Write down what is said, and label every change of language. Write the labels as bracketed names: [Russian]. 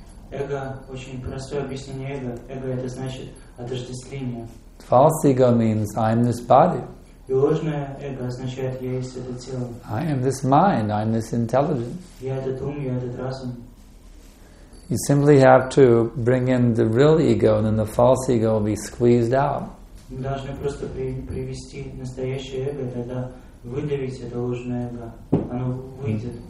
[Russian] Эго очень простое объяснение эго. Эго это значит отождествление. [English] False ego means I am this body. [Russian] И ложное эго означает я есть это тело. [English] I am this mind. I am this intelligence. [Russian] Я этот ум, я этот разум. [English] You simply have to bring in the real ego, and then the false ego will be squeezed out. [Russian] Мы должны просто привести настоящее эго, тогда выдавить это ложное эго, оно выйдет.